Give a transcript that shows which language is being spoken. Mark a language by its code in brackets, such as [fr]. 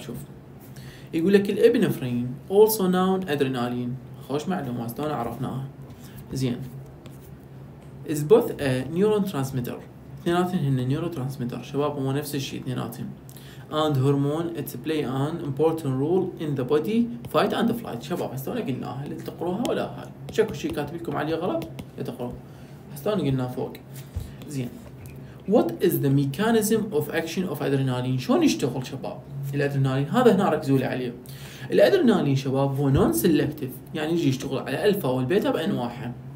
[ar] شوف يقول لك الابنفرين [en] also known [ar] adrenaline، خوش معلومه استنا عرفناها. زين [en] is both a neurotransmitter، [ar] اثنيناتهم هن نيورو ترانسميتر شباب، هو نفس الشيء اثنيناتهم، [en] and hormone it play an important role in the body fight and flight. [ar] شباب هستونا قلناها اللي تقروها ولا هاي شكو شي كاتب لكم عليه غلط يتقروها هستونا قلناها فوق زين. [en] What is the mechanism of action of adrenaline؟ [ar] شلون يشتغل شباب الادرينالين؟ هذا هنا ركزوا لي عليه. الادرينالين شباب هو نون سيلكتيف، يعني يجي يشتغل على الفا والبيتا بانواعها.